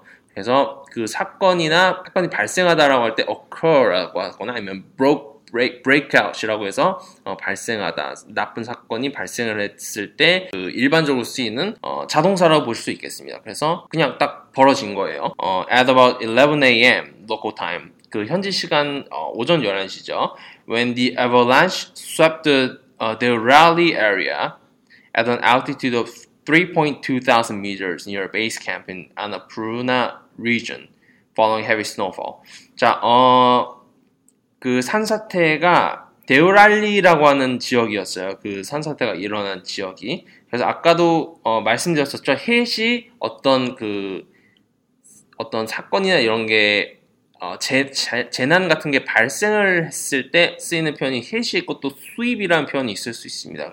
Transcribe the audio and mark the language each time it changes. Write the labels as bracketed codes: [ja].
[ko] 그래서 그 사건이 발생하다라고 할 때 occur라고 하거나 아니면 breakout이라고 해서 발생하다, 나쁜 사건이 발생을 했을 때 그 일반적으로 쓰이는 자동사라고 볼 수 있겠습니다. 그래서 그냥 딱 벌어진 거예요. [en] At about 11 a.m. local time. [ko] 그 현지 시간 오전 11시죠. [en] When the avalanche swept the rally area at an altitude of 3,200 meters near base camp in Annapurna region following heavy snowfall. [ko] 자, 그 산사태가 데우랄리라고 하는 지역이었어요. 그 산사태가 일어난 지역이. 그래서 아까도 말씀드렸었죠. 해시 어떤 사건이나 이런 게 재난 같은 게 발생을 했을 때 쓰이는 표현이 해시 있고 또 수입이라는 표현이 있을 수 있습니다.